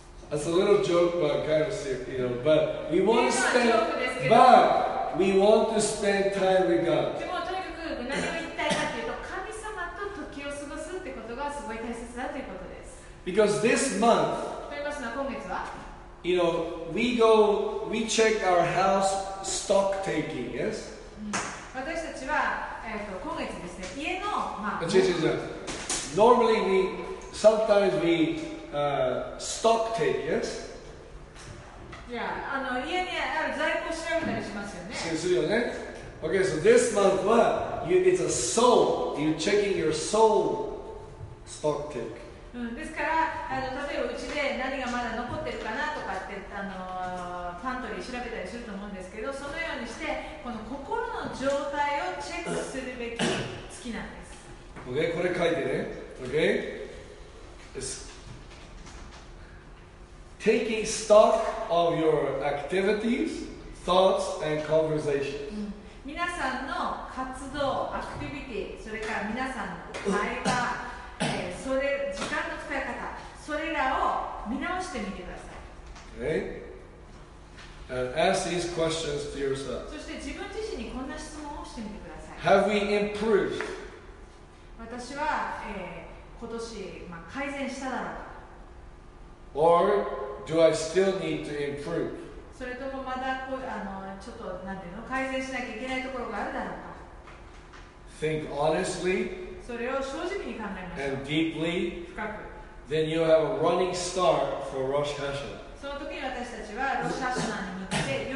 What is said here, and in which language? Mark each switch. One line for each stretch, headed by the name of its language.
English: That's a little joke, but kind of silly, you know. But we want to spend. But we want to spend time with God.
Japanese: でもとにかく何を言いたいかというと、神様と時を過ごすってことがすごい大切だということです。
English: Because this month.
Japanese: といいますのは今月は。
English: You know, we check our house stock taking, yes?
Japanese: 私たちは、今月ですね、家の、違う。
English: Normally, we, sometimes we, stock take, yes?
Japanese: いや、家にある在庫調べたりしますよね。するよね。
English: Okay, so this month は、it's a soul. You're checking your soul stock take.
Japanese: ですから例えばうちで何がまだ残ってるかなとかってパントリー調べたりすると思うんですけど、そのようにしてこの心の状態をチェックするべき月なんです。 Okay, これ書いてね。
English: Okay, it's taking stock of your activities, thoughts, and conversations.
Japanese: 皆さんの活動、アクティビティ、それから皆さんの会話。それ時間の使い方、それらを見直してみてください。
English: Okay. And ask these questions to yourself.
Japanese: そして自分自身にこんな質問をしてみてください。
English: Have we improved?
Japanese: 私は、今年、改善しただろうか。
English: Or do I still need to improve?
Japanese: それともまだちょっと何ていうの、改善しなきゃいけないところがあるだろうか。
English: Think honestly.
Japanese: それを正直に考えましょう。
English: And deeply,
Japanese: 深く。
English: Then you have a running start for Rosh Hashanah.
Japanese: その時に私たちはロシャシナに向けて